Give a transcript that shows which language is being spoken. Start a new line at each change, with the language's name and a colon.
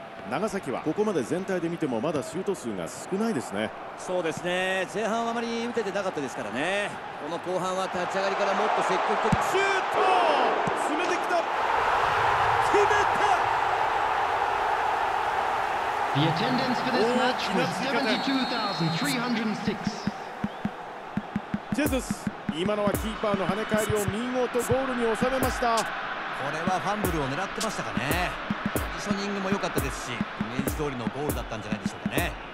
Japanese: 長崎はここまで全体で見てもまだシュート数が少ないですね。そうですね、前半はあまり打ててなかったですからね。この後半は立ち上がりからもっと積極的、シュート、詰めてきた、決めた。
English: The attendance for this match was 72,306.
Japanese: ジェズス、今のはキーパーの跳ね返りを見事ゴールに収めました。これはファンブルを狙ってましたかね。ポジショニングも良かったですし、イメージ通りのゴールだったんじゃないでしょうかね。